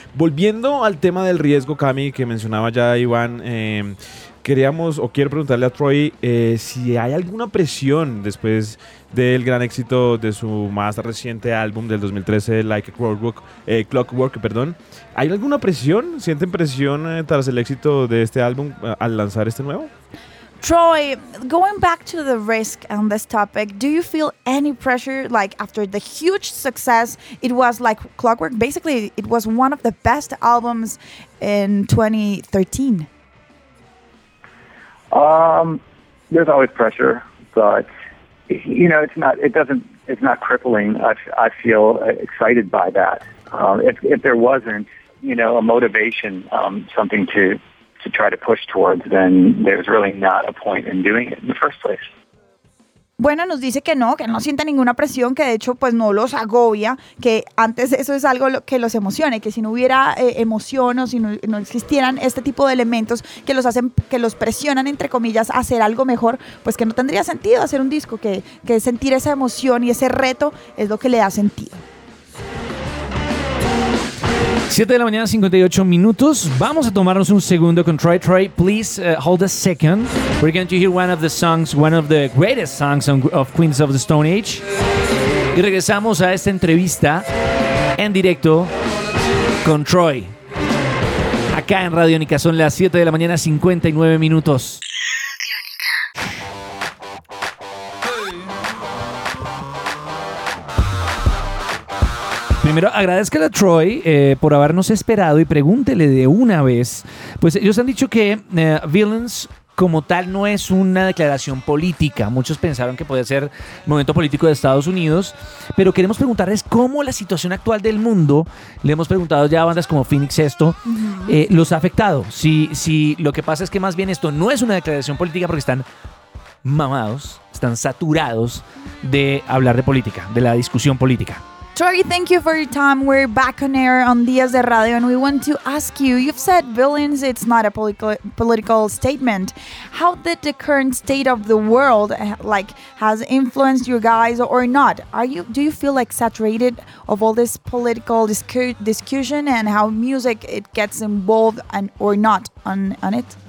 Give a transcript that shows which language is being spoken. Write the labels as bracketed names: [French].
[Spanish] Volviendo al tema del riesgo, Cami, que mencionaba ya Iván, queríamos o quiero preguntarle a Troy si hay alguna presión después del gran éxito de su más reciente álbum del 2013, Like a Clockwork, ¿Hay alguna presión? ¿Sienten presión tras el éxito de este álbum al lanzar este nuevo? [English] Troy, going back to the risk on this topic, do you feel any pressure like after the huge success it was like Clockwork? Basically, it was one of the best albums in 2013. There's always pressure, but it's not crippling. I feel excited by that. If there wasn't, a motivation, something to try to push towards, then there's really not a point in doing it in the first place. [Spanish] Bueno, nos dice que no siente ninguna presión, que de hecho pues no los agobia, que antes eso es algo que los emocione, que si no hubiera emoción o si no existieran este tipo de elementos que los hacen, que los presionan entre comillas a hacer algo mejor, pues que no tendría sentido hacer un disco, que sentir esa emoción y ese reto es lo que le da sentido. 7 de la mañana, 58 minutos. Vamos a tomarnos un segundo con Troy. [English] Please hold a second. We're going to hear one of the songs, one of the greatest songs of Queens of the Stone Age. [Spanish] Y regresamos a esta entrevista en directo con Troy. Acá en Radio Única son las 7 de la mañana, 59 minutos. Primero, agradezcale a Troy por habernos esperado y pregúntele de una vez. Pues ellos han dicho que Villains como tal no es una declaración política. Muchos pensaron que podía ser momento político de Estados Unidos. Pero queremos preguntarles cómo la situación actual del mundo, le hemos preguntado ya a bandas como Phoenix esto, los ha afectado. Si lo que pasa es que más bien esto no es una declaración política porque están mamados, están saturados de hablar de política, de la discusión política. [English] Troy, thank you for your time. We're back on air on Días de Radio, and we want to ask you, you've said Villains, it's not a political statement. How did the current state of the world, has influenced you guys or not? Do you feel like saturated of all this political discussion and how music, it gets involved and or not on it?